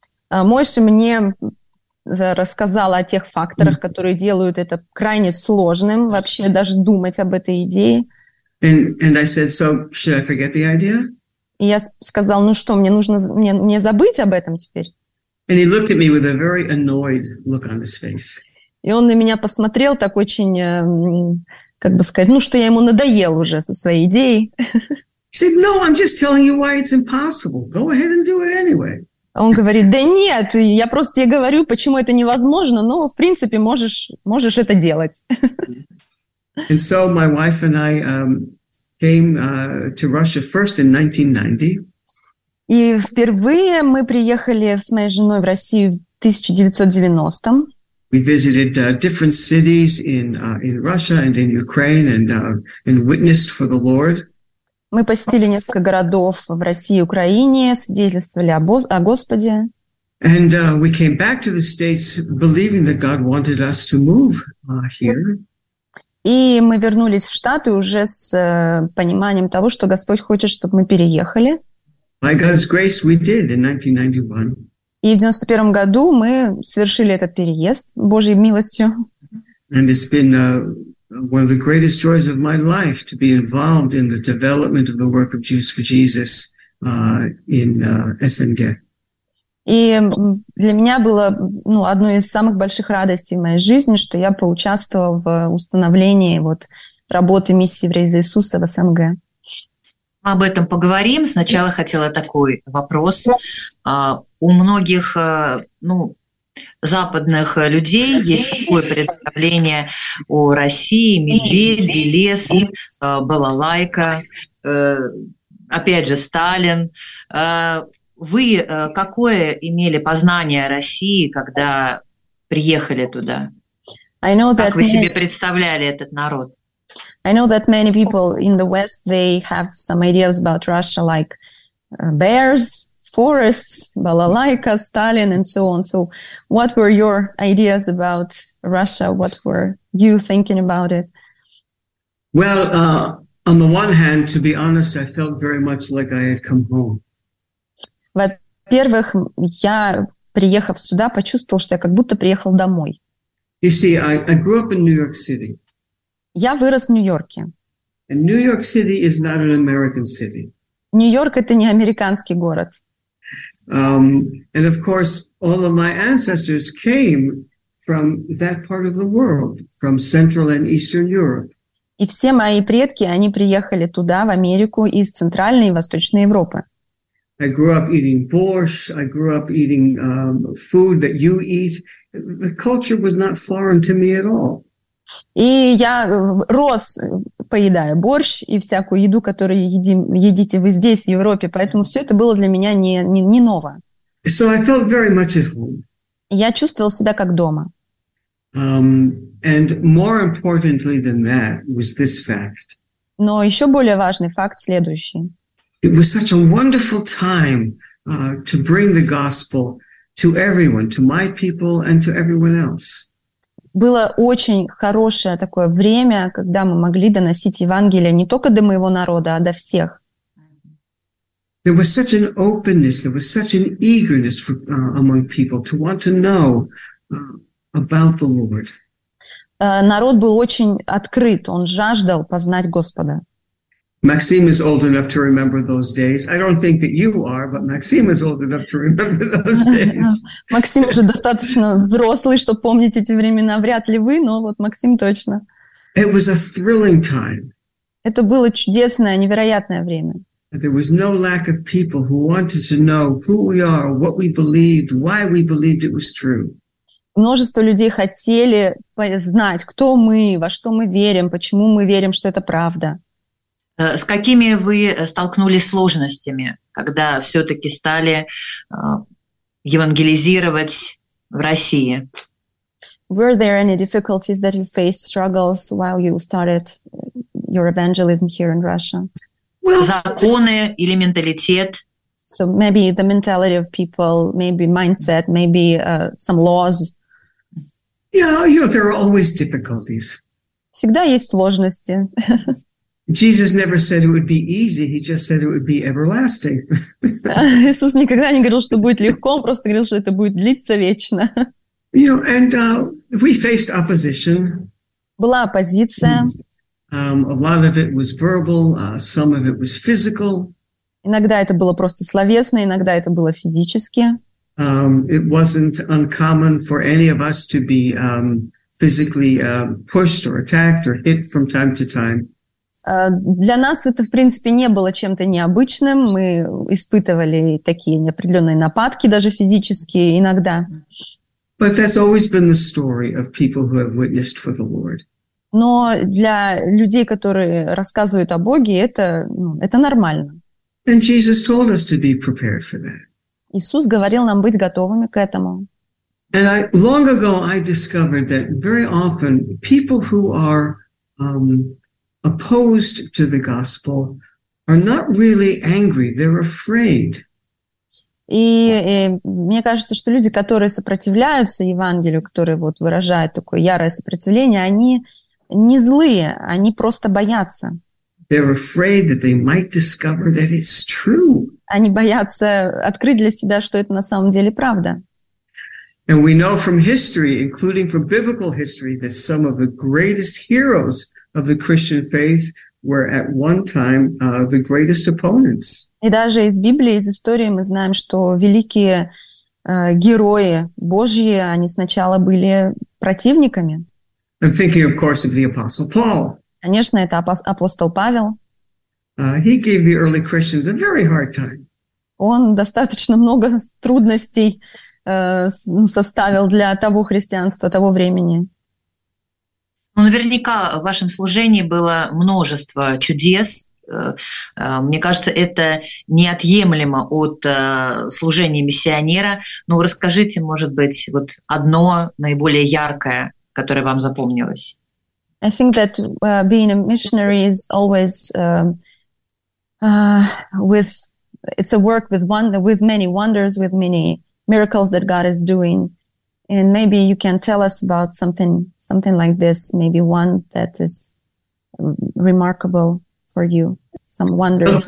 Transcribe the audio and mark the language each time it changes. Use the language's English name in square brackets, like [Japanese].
[Russian] Моше мне рассказал о тех факторах, которые делают это крайне сложным вообще даже думать об этой идее. [English] And I said, so should I forget the idea? [Russian] И я сказал, ну что, мне нужно забыть об этом теперь. И он на меня посмотрел так очень, как бы сказать, ну что я ему надоел уже со своей идеей. [English] He said, no, I'm just telling you why it's impossible. Go ahead and do it anyway. [Russian] Он говорит, да нет, я просто тебе говорю, почему это невозможно, но в принципе можешь это делать. [English] And so my wife and I came to Russia first in 1990. [Russian] И впервые мы приехали с моей женой в Россию в 1990. [English] We visited different cities in Russia and in Ukraine and witnessed for the Lord. [Russian] Мы посетили несколько городов в России и Украине, свидетельствовали о Господе. [English] And we came back to the States believing that God wanted us to move here. [Russian] И мы вернулись в Штаты уже с пониманием того, что Господь хочет, чтобы мы переехали. [English] By God's grace, we did in 1991. [Russian] И в 91-м году мы совершили этот переезд Божьей милостью. [English] And it's been one of the greatest joys of my life to be involved in the development of the work of Jews for Jesus in SNG. [Russian] И для меня было, ну, одной из самых больших радостей в моей жизни, что я поучаствовал в установлении вот, работы миссии Евреев за Иисуса в СНГ. Мы об этом поговорим. Сначала хотела такой вопрос. У многих, ну, западных людей есть такое представление о России: медведи, лес, балалайка, опять же, Сталин. Вы какое имели познание России, когда приехали туда? Как вы себе представляли этот народ? [English] I know that many people in the West, they have some ideas about Russia, like bears, forests, balalaika, Stalin, and so on. So what were your ideas about Russia? What were you thinking about it? Well, on the one hand, to be honest, I felt very much like I had come home. [Russian] Во-первых, я, приехав сюда, почувствовал, что я как будто приехал домой. [English] You see, I grew up in New York City. [Russian] Я вырос в Нью-Йорке. [English] And New York City is not an American city. [Russian] Нью-Йорк — это не американский город. [English] And of course, all of my ancestors came from that part of the world, from Central and Eastern Europe. [Russian] И все мои предки, они приехали туда, в Америку, из Центральной и Восточной Европы. [English] I grew up eating borscht, I grew up eating food that you eat. The culture was not foreign to me at all. [Russian] И я рос, поедая борщ и всякую еду, которую едите вы здесь, в Европе. Поэтому все это было для меня не ново. [English] So I felt very much at home. [Russian] Я чувствовал себя как дома. [English] And more importantly than that was this fact. [Russian] Но еще более важный факт следующий. [English] It was such a wonderful time to bring the gospel to everyone, to my people and to everyone else. [Russian] Было очень хорошее такое время, когда мы могли доносить Евангелие не только до моего народа, а до всех. [English] There was such an openness, there was such an eagerness for, among people to want to know about the Lord. [Russian] Народ был очень открыт, он жаждал познать Господа. [English] Maxime is old enough to remember those days. I don't think that you are, but Maxime is old enough to remember those days. [Russian] Максим уже достаточно взрослый, чтобы помнить эти времена. Вряд ли вы, но вот Максим точно. [English] It was a thrilling time. [Russian] Это было чудесное, невероятное время. [English] There was no lack of people who wanted to know who we are, what we believed, why we believed it was true. [Russian] Множество людей хотели знать, кто мы, во что мы верим, почему мы верим, что это правда. С какими вы столкнулись сложностями, когда все-таки стали евангелизировать в России? [English] Were there any difficulties that you faced, struggles, while you started your evangelism here in Russia? [Russian] Well, законы или менталитет? [English] So maybe the mentality of people, maybe mindset, maybe some laws. Yeah, you know, there are always difficulties. [Russian] Всегда есть сложности. [English] Jesus never said it would be easy. He just said it would be everlasting. [Russian] Иисус никогда не говорил, что будет легко, он просто говорил, что это будет длиться вечно. [English] You know, and we faced opposition. [Russian] Была оппозиция. [English] A lot of it was verbal, some of it was physical. [Russian] Иногда это было просто словесно, иногда это было физически. [English] It wasn't uncommon for any of us to be physically pushed or attacked or hit from time to time. [Russian] Для нас это, в принципе, не было чем-то необычным. Мы испытывали такие неопределенные нападки, даже физические, иногда. [English] But that's always been the story of people who have witnessed for the Lord. [Russian] Но для людей, которые рассказывают о Боге, это нормально. [English] And Jesus told us to be prepared for that. [Russian] Иисус говорил нам быть готовыми к этому. [English] And long ago I discovered that very often people who are opposed to the gospel are not really angry, they're afraid. [Russian] И мне кажется, что люди, которые сопротивляются Евангелию, которые вот выражают такое ярое сопротивление, они не злые, они просто боятся. [English] They're afraid that they might discover that it's true. [Russian] Они боятся открыть для себя, что это на самом деле правда. [English] And we know from history, including from biblical history, that some of the greatest heroes of the Christian faith were at one time the greatest opponents. [Russian] И даже из Библии, из истории мы знаем, что великие герои Божьи, они сначала были противниками. [English] I'm thinking, of course, of the Apostle Paul. [Russian] Конечно, это апостол Павел. [English] He gave the early Christians a very hard time. [Russian] Он достаточно много трудностей составил для того христианства того времени. Ну, наверняка в вашем служении было множество чудес. Мне кажется, это неотъемлемо от служения миссионера. Ну, расскажите, может быть, вот одно наиболее яркое, которое вам запомнилось. [English] I think that being a missionary is always with it's a work with with many wonders, with many miracles that God is doing. And maybe you can tell us about something like this, maybe one that is remarkable for you, some wonders.